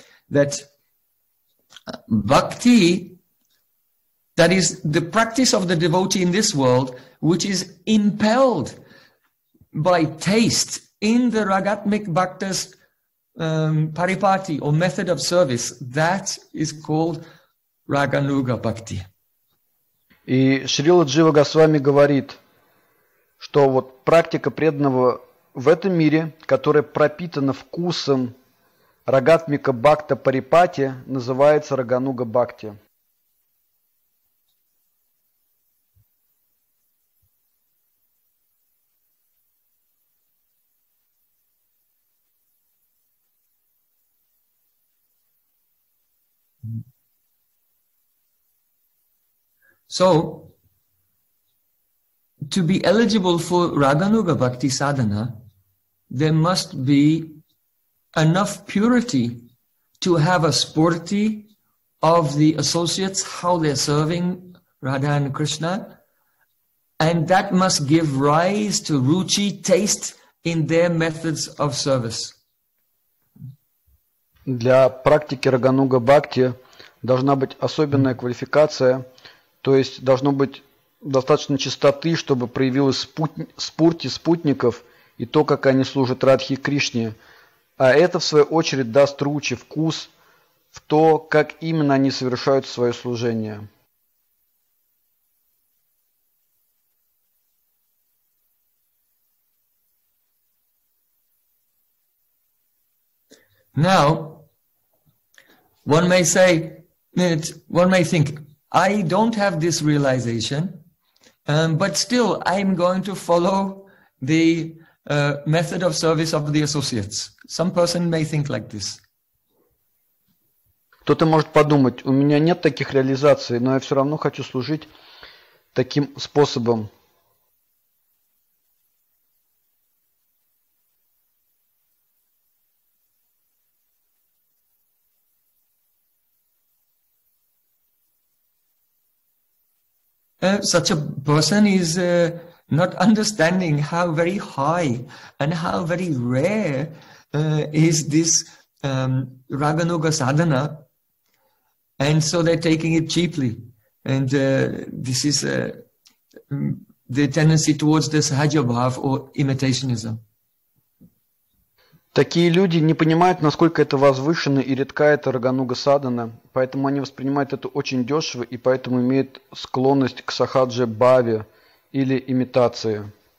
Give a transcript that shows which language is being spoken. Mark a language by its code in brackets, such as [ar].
[en] That bhakti, that is the practice of the devotee in this world, which is impelled by taste in the ragatmik bhaktas paripati or method of service, that is called raganuga bhakti. [ru] И Шрила Джива Госвами говорит, что вот практика преданного в этом мире, которая пропитана вкусом рагатмика бхакта парипати, называется рагануга бхакти. [en] So, to be eligible for Raganuga Bhakti Sadhana, there must be enough purity to have a spurti of the associates, how they're serving Radha and Krishna, and that must give rise to ruchi, taste in their methods of service. [ru] Для практики Рагануга Бхакти должна быть особенная квалификация, то есть должно быть достаточно чистоты, чтобы проявилось спурти спутников и то, как они служат Радхе и Кришне. А это, в свою очередь, даст ручи вкус в то, как именно они совершают свое служение. [en] Now, one may say, one may think, I don't have this realization, but still I'm going to follow the method of service of the associates. Some person may think like this. [ru] Кто-то может подумать, у меня нет таких реализаций, но я все равно хочу служить таким способом. [en] Such a person is not understanding how very high and how very rare is this Raganuga sadhana, and so they're taking it cheaply, and this is the tendency towards the sahaja bhav or imitationism. [ru] Такие люди не понимают, насколько это возвышенно и редка эта рагануга садхана, поэтому они воспринимают это очень дешево и поэтому имеют склонность к сахаджа бхаве или имитации.